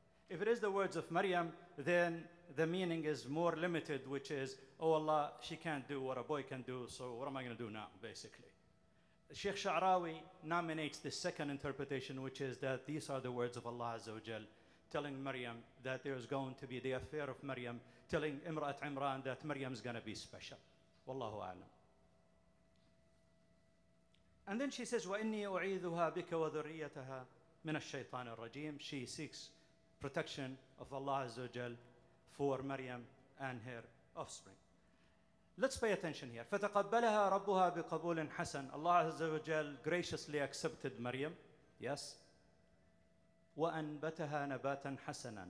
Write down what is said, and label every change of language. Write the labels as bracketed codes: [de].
[en] If it is the words of Maryam, then the meaning is more limited, which is, oh Allah, she can't do what a boy can do, so what am I going to do now, basically. Sheikh Sha'rawi nominates the second interpretation, which is that these are the words of Allah Azza wa Jal telling Maryam that there is going to be the affair of Maryam, telling Imra'at Imran that Maryam is going to be special. [ar] Wallahu a'lam. [en] And then she says, [ar] وَإِنِّي أُعِيذُهَا بِكَ وَذُرِّيَّتَهَا مِنَ الشَّيْطَانِ الرَّجِيمِ. [en] She seeks protection of Allah Azza wa Jal for Maryam and her offspring. Let's pay attention here. [ar] فَتَقَبَّلَهَا رَبُّهَا بِقَبُولٍ حَسَنٍ. [en] Allah Azza wa Jal graciously accepted Maryam. Yes. [ar] وَأَنْبَتَهَا نَبَاتًا حَسَنًا.